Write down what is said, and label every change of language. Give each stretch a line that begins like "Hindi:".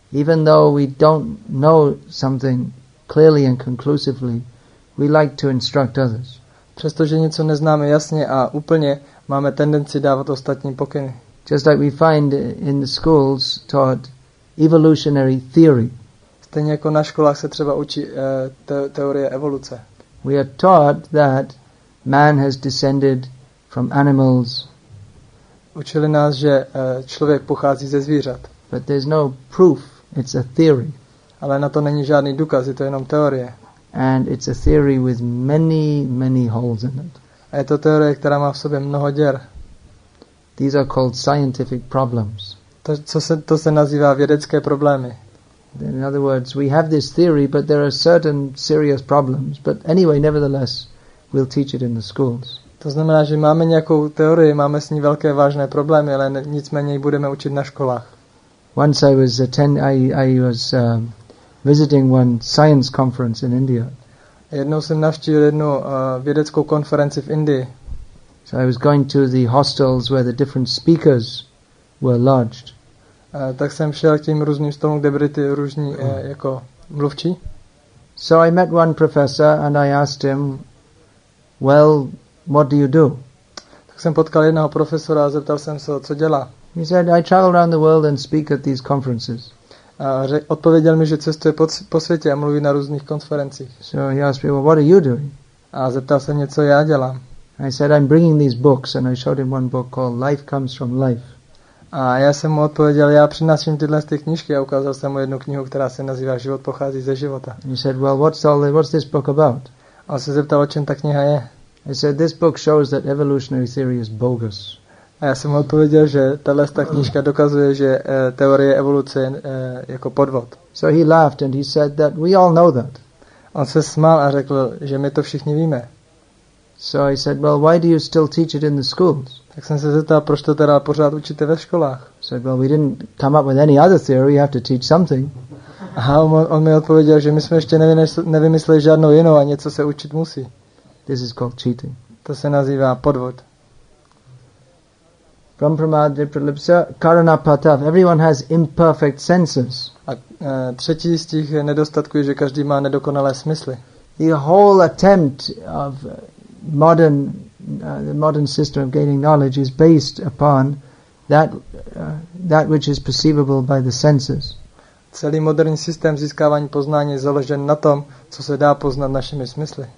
English: Even though we don't know something clearly and conclusively, we like to instruct others.
Czech: Přestože něco neznáme jasně a úplně, máme tendenci dávat ostatním pokyny.
English: Just like we find in the schools taught evolutionary theory.
Czech: Stejně jako na školách se třeba učí teorie evoluce.
English: We are taught that man has descended from animals.
Czech: Učili nás, že člověk pochází ze zvířat.
English: But there's no proof, it's a theory.
Czech: Ale na to není žádný důkaz, je to jenom teorie.
English: And it's a theory with many, many holes in it.
Czech: A je to teorie, která má v sobě mnoho děr.
English: These are called scientific problems.
Czech: To se nazývá vědecké problémy.
English: In other words, we have this theory, but there are certain serious problems. But anyway, nevertheless, we'll teach it in the schools.
Czech: To znamená, že máme nějakou teorii, máme s ní velké vážné problémy, ale nicméně ji budeme učit na školách.
English: Once I was visiting one science conference in India.
Czech: Jednou jsem navštívil jednu vědeckou konferenci v Indii.
English: So I was going to the hostels where the different speakers were lodged.
Czech: Tak jsem šel k tím různým stolům, kde byly ty různí jako mluvčí.
English: So I met one professor and I asked him, well, what do you do?
Czech: Tak jsem potkal jednoho profesora a zeptal jsem se, co dělá.
English: He said, I travel around the world and speak at these conferences.
Czech: Odpověděl mi, že cestuje po světě a mluví na různých konferencích.
English: So he asked me, well, what are you doing?
Czech: A zeptal se mě, co já dělám.
English: I said, I'm bringing these books and I showed him one book called Life Comes From Life.
Czech: A já jsem mu odpověděl, já přináším tyhle z těch knížky a ukázal jsem mu jednu knihu, která se nazývá Život pochází ze života.
English: He said, well, what's this book about?
Czech: A se zeptal, o čem ta kniha je.
English: I said, this book shows that evolutionary theory is bogus.
Czech: A já jsem odpověděl, že tahle knížka dokazuje, že teorie evoluce je jako podvod.
English: So he laughed and he said that we all know that.
Czech: On se smál a řekl, že my to všichni víme.
English: So I said, well, why do you still teach it in the schools?
Czech: Tak jsem se zeptal, proč to teda pořád učíte ve školách?
English: So, well, we didn't come up with any other theory, you have to teach something.
Czech: Aha, on mi odpověděl, že my jsme ještě nevymysleli žádnou jinou a něco se učit musí.
English: This is called cheating.
Czech: To se nazývá podvod.
English: Brahm Pramad, Vipralipsa, Karanapatav. Everyone has imperfect senses.
Czech: A třetí z těch nedostatků je, že každý má nedokonalé smysly.
English: The whole attempt of the modern system of gaining knowledge is based upon that which is perceivable by the senses.
Czech: Celý moderní systém získávání poznání je založen na tom, co se dá poznat našimi smysly.